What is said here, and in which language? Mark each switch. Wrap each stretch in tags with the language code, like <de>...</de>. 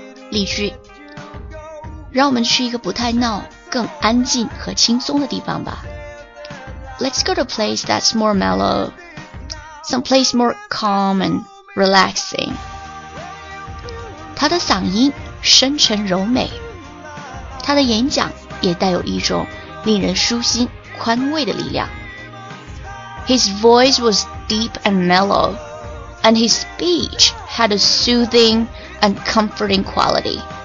<zh>例句，让我们去一个不太闹，更安静和轻松的地方吧。</zh> <en>Let's go to a place that's more mellow. Some place more calm and relaxing.</en> <zh>他的嗓音深沉柔美，他的演讲也带有一种令人舒心宽慰的力量。</zh> <en>His voice was deep and mellow, and his speech had a soothing and comforting quality.</en>